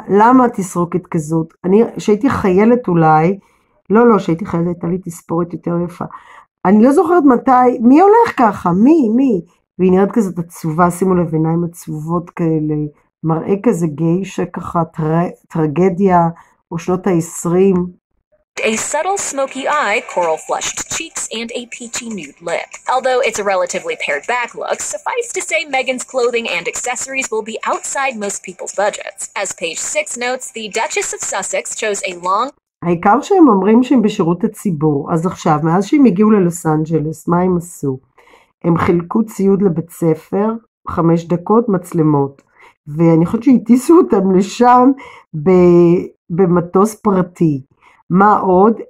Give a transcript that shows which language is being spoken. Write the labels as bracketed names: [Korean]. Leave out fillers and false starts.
[Hebrew] למה תסרוקת כזאת? אני, שהייתי חיילת אולי, לא, לא, שהייתי חיילת, הייתה לי תספורת יותר יפה. אני לא זוכרת מתי, מי הולך ככה? מי? מי? והיא נראית כזאת עצובה, שימו לב עיניים עצובות כאלה. מראה כזה גיי שככה טרגדיה או שנות ה-20. [English] A subtle smoky eye, coral flushed cheeks, and a peachy nude lip. Although it's a relatively pared back look, suffice to say Meghan's clothing and accessories will be outside most people's budgets. As page 6 notes, the Duchess of Sussex chose a long... [Hebrew] העיקר שהם אומרים שהם בשירות הציבור, אז עכשיו, מאז שהם הגיעו ללוס אנג'לס, מה הם עשו? הם חילקו ציוד לבית ספר, 5 דקות מצלמות. ואני חושבת שהטיסו אותם לשם במטוס פרטי. מה עוד?